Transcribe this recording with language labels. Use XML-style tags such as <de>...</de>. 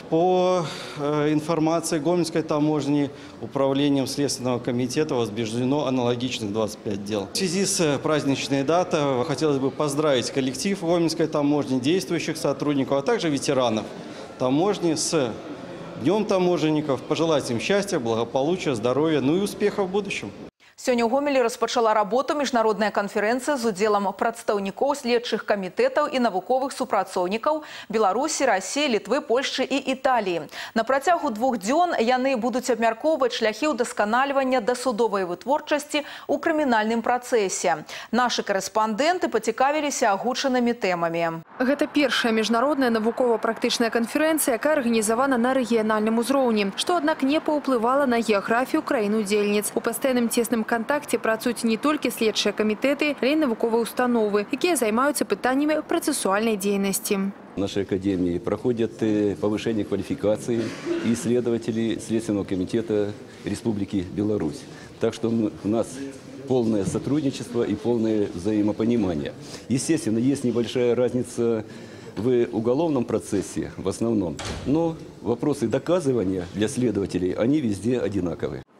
<ru>По информации Гомельской таможни, управлением Следственного комитета возбуждено аналогичных 25 дел. В связи с праздничной датой хотелось бы поздравить коллектив Гомельской таможни, действующих сотрудников, а также ветеранов таможни с Днем таможенников, пожелать им счастья, благополучия, здоровья, ну и успеха в будущем.</ru> <be>Сёння ў Гомелі распачала работу міжнародная канферэнцыя з удзелам прадстаўнікоў следчых камітэтаў і навуковых супрацоўнікаў Беларусі, Расіі, Літвы, Польшчы і Італіі. На працягу 2 дзён яны будуць абмяркоўваць шляхі ўдасканальвання дасудовай вытворчасці ў крымінальным працэсе. Нашы карэспандэнты пацікавіліся агучанымі тэмамі. Гэта першая міжнародная навукова-практычная канферэнцыя, якая арганізавана на рэгіянальным узроўні, што аднак не паўплывала на геаграфію краін удзельніц. У пастаянным тесным кантакце працуюць не толькі следчыя камітэты, але і навуковыя установы, якія займаюцца пытаннямі працэсуальнай дзейнасці.</be> <ru>В нашей академии проходят повышение квалификации исследователей Следственного комитета Республики Беларусь. Так что у нас полное сотрудничество и полное взаимопонимание. Естественно, есть небольшая разница в уголовном процессе в основном, но вопросы доказывания для следователей, они везде одинаковые.</ru>